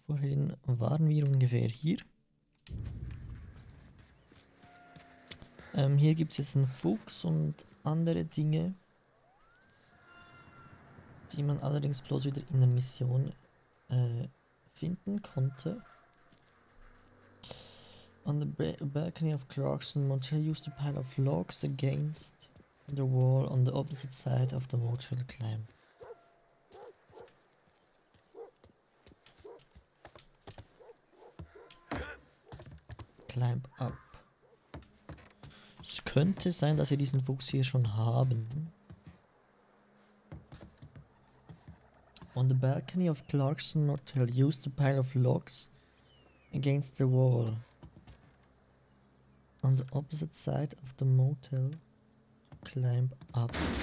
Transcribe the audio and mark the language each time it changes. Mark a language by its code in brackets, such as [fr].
[de] Vorhin waren wir ungefähr hier. Hier gibt es jetzt einen Fuchs und andere Dinge, die man allerdings bloß wieder in der Mission finden konnte. [en] On the balcony of Clarkson Motel, used a pile of logs against the wall on the opposite side of the motel climb. Climb up. [de] Es könnte sein, dass wir diesen Fuchs hier schon haben. [en] On the balcony of Clarkson Motel, used a pile of logs against the wall. On the opposite side of the motel, climb up.